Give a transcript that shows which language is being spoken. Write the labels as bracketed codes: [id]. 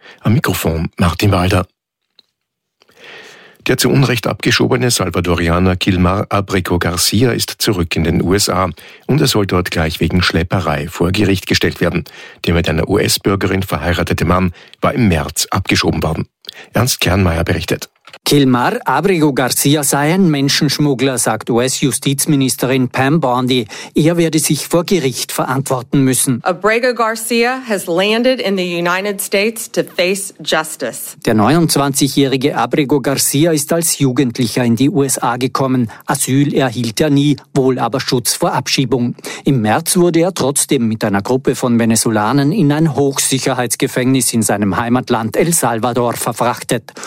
[de] Am Mikrofon Martin Walder. Der zu Unrecht abgeschobene Salvadorianer Kilmar Abrico Garcia ist zurück in den USA und er soll dort gleich wegen Schlepperei vor Gericht gestellt werden. Der mit einer US-Bürgerin verheiratete Mann war im März abgeschoben worden. Ernst Kernmeier berichtet. Kilmar Abrigo Garcia sei ein Menschenschmuggler, sagt US-Justizministerin Pam Bondi. Er werde sich vor Gericht verantworten müssen. [en] Abrigo Garcia has landed in the United States to face justice. [de] Der 29-jährige Abrigo Garcia ist als Jugendlicher in die USA gekommen. Asyl erhielt er nie, wohl aber Schutz vor Abschiebung. Im März wurde er trotzdem mit einer Gruppe von Venezolanern in ein Hochsicherheitsgefängnis in seinem Heimatland El Salvador verfrachtet.